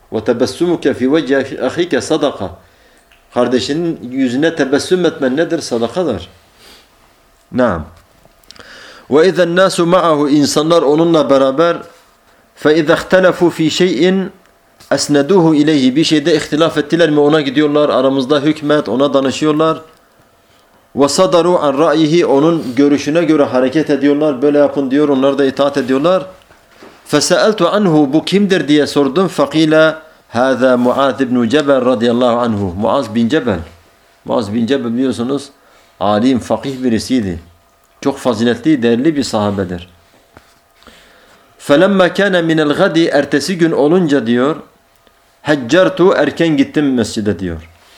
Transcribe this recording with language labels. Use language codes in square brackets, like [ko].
[ar] وَتَبَسُّمُكَ فِي وَجَّهِ اَخِيكَ sadaka. [tr] Kardeşinin yüzüne tebessüm etmen nedir? Sadakadır. Naam. [ar] وَاِذَا النَّاسُ مَعَهُ [tr] İnsanlar onunla beraber [ar] فَاِذَا اَخْتَلَفُوا فِي شَيْءٍ اَسْنَدُوهُ اِلَيْهِ [tr] Bir şeyde ihtilaf ettiler mi ona gidiyorlar, aramızda hükmet, ona danışıyorlar. [ar] وَصَدَرُوا عَنْ رَأْيِهِ [tr] Onun görüşüne göre hareket ediyorlar, böyle yapın diyor, onlar da itaat ediyorlar. [ar] فَسَأَلْتُ عَنْهُ [tr] Bu kimdir diye sordum. [ar] فَقِيلَ هَذَا مُعَاذِ بْنُ جَبَلْ رَضِيَ اللّٰهُ عَنْهُ Muaz bin Cebel. [tr] Muaz bin Cebel biliyorsunuz alim, fakih birisiydi. Çok faziletli, değerli bir sahabedir. [ar] فَلَمَّا كَانَ مِنَ الْغَدِي [tr] Ertesi gün olunca diyor, هَجَّرْتُ Erken gittim mescide diyor.